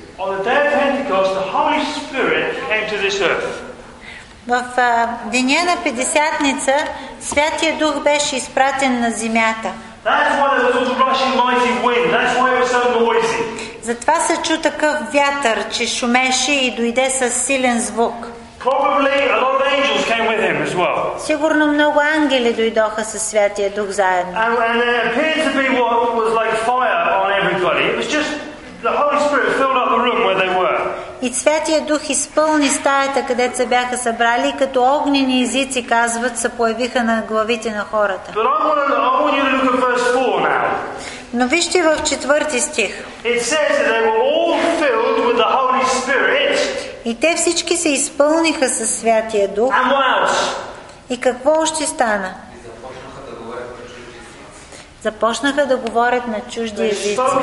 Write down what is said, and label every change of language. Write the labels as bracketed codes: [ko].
[en] On the day of Pentecost, the Holy Spirit came to this earth. [bg] В деня на Петдесетница Святия Дух беше изпратен на земята. [en] That's why there was a rushing mighty wind. That's why it was so noisy. [bg] Затова се чу такъв вятър, че шумеше и дойде с силен звук. [en] Probably a lot of angels came with him as well. [bg] Сигурно много ангели дойдоха със Святия Дух заедно. [en] And there appeared to be what was like fire on everybody. It was just the Holy Spirit filled up the room where they were. [bg] И Святия Дух изпълни стаята, където се бяха събрали, като огнени езици, казват, се появиха на главите на хората. [en] But I want you to look at verse 4 now. [bg] Но вижте в четвърти стих. [en] It says that they were all filled with the Holy Spirit. [bg] И те всички се изпълниха със Святия Дух. [en] And what else? [bg] И какво още стана? Започнаха да говорят на чужди езици.